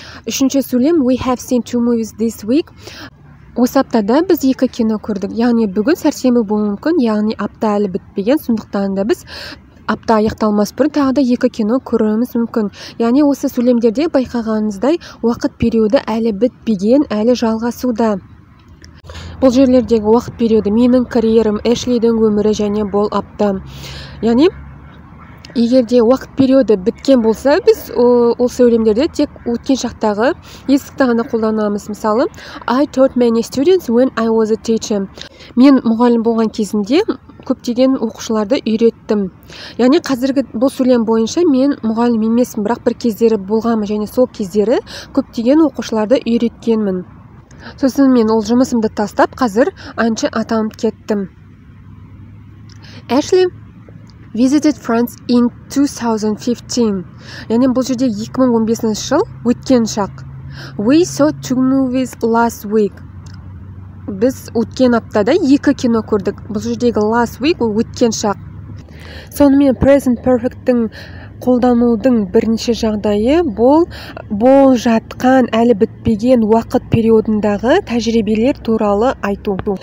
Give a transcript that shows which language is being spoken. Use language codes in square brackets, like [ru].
[kk] Үшінші сөйлем, [en] we have seen 2 movies this week. [kk] Осы аптада біз екі кино көрдік. Яғни, бүгін сәрсенбі болуы мүмкін. Яғни, апта әлі бітпеген. Сондықтан да біз апта аяқталмас бұрын тағы да екі кино көруіміз мүмкін. Яғни осы сөйлемдерде байқағаныңыздай уақыт периоды әлі бітпеген, әлі жалғасуда. Бұл жерлердегі уақыт периоды менің карьерім, Эшлидің өмірі және бұл апта. Яғни егер де уақыт периоды біткен болса, біз ол сөйлемдерде тек өткен шақтағы есікті ғана қолданамыз. Мысалы, [en] I taught many students when I was a teacher. [kk] Мен мұғалім болған кезімде көптеген оқушыларды үйреттім. Яғни қазіргі бұл сөйлем бойынша мен мұғалім емесім, бірақ бір кездері болғанмын және сол кездері көптеген оқушыларды үйреткенмін. Сосын мен ол жұмысымды тастап, қазір әнші атанып кеттім. [en] Ashley visited France in 2015. [kk] Яғни бұл жерде 2015 жыл өткен шақ. [en] We saw 2 movies last week. [kk] Біз өткен аптада екі кино көрдік. Бұл жердегі [en] last week [kk] ол өткен шақ. Сонымен present perfect-тің қолданудың бірінші жағдайы бұл жатқан әлі бітпеген уақыт периодындағы тәжірибелер туралы айту.